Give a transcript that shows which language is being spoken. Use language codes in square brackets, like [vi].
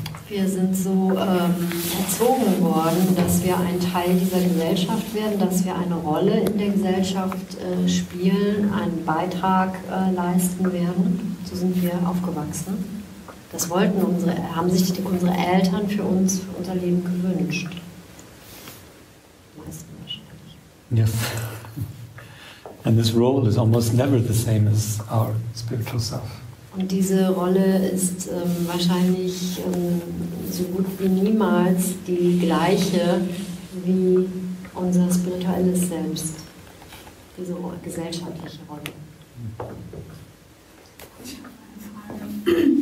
[de] Wir sind so erzogen worden, dass wir ein Teil dieser Gesellschaft werden, dass wir eine Rolle in der Gesellschaft spielen, einen Beitrag leisten werden. So sind wir aufgewachsen. Das wollten haben sich unsere Eltern für unser Leben gewünscht. Meistens wahrscheinlich. [en] Yes. And this role is almost never the same as our spiritual self. [de] Und diese Rolle ist wahrscheinlich so gut wie niemals die gleiche wie unser spirituelles Selbst, diese gesellschaftliche Rolle. Ich habe eine Frage.